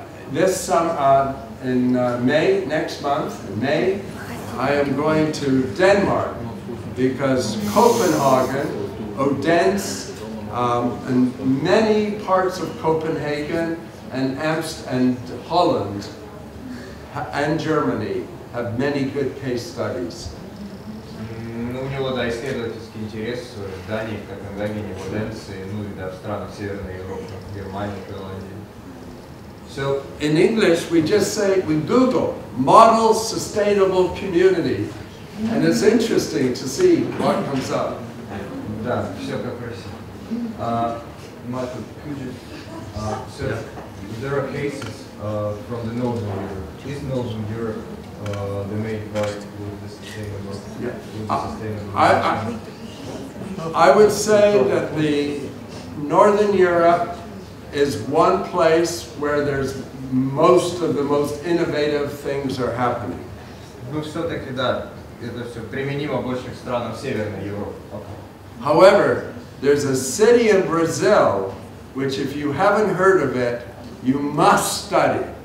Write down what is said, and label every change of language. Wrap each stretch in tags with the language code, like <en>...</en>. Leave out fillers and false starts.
<en>This summer, in May, I am going to Denmark because Copenhagen, Odense, and many parts of Copenhagen and Amsterdam and Holland and Germany have many good case studies.</en> <ru>Ну, у него, да, исследовательский интерес в Дании, в Копенгагене, в Оденсе, ну и да, в странах Северной Европы, в Германии, в Голландии.</ru> <en>So, in English, we just say, we Google, model sustainable community. And it's interesting to see what comes up.</en> <ru>Да, все как просил.</ru> <en>Майкл, could you sir, there are cases from the Northern Europe. Is Northern Europe the main part with the sustainable I would say that the Northern Europe is one place where there's most of the most innovative things are happening.</en> <ru>Ну все-таки да, это все применимо в больших странах Северной Европы.</ru> <en>However, there's a city in Brazil which, if you haven't heard of it, you must study.</en>